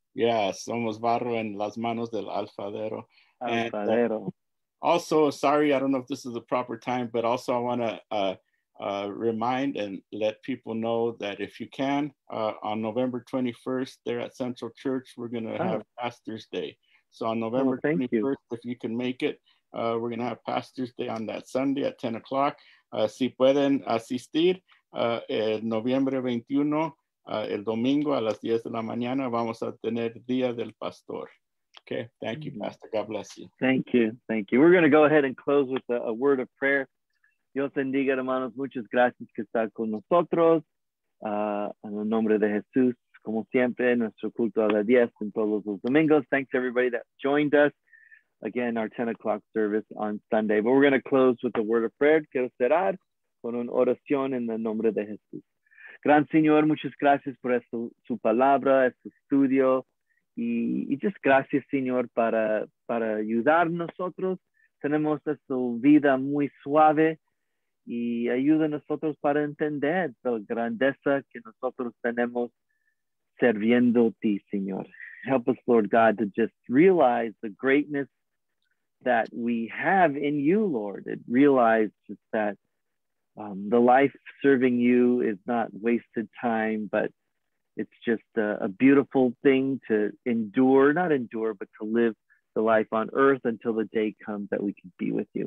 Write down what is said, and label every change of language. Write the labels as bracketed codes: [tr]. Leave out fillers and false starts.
[es] Yeah, somos barro en las manos del alfadero. Alfadero. [en] Also, sorry, I don't know if this is the proper time, but also I want to remind and let people know that if you can, on November 21st, there at Central Church, we're going to have Pastor's Day. So on November 21st, if you can make it, we're going to have Pastor's Day on that Sunday at 10 o'clock. [es] Si pueden asistir, el noviembre 21, el domingo a las 10 de la mañana, vamos a tener Día del Pastor. [en] Okay, thank you, Pastor. God bless you. Thank you. We're going to go ahead and close with a word of prayer. [es] Dios bendiga, hermanos. Muchas gracias que está con nosotros. En el nombre de Jesús, como siempre, nuestro culto a las 10 en todos los domingos. [en] Thanks, everybody that joined us. Again, our 10 o'clock service on Sunday. But we're going to close with a word of prayer. [es] Quiero cerrar con una oración en el nombre de Jesús. Gran Señor, muchas gracias por esto, su palabra, su estudio. Y just gracias, Señor, para ayudar nosotros. Tenemos esta vida muy suave y ayuda a nosotros para entender la grandeza que nosotros tenemos sirviendo a ti, Señor. [en] Help us, Lord God, to just realize the greatness that we have in you, Lord. And realize just that the life serving you is not wasted time, but it's just a beautiful thing to not endure, but to live the life on earth until the day comes that we can be with you.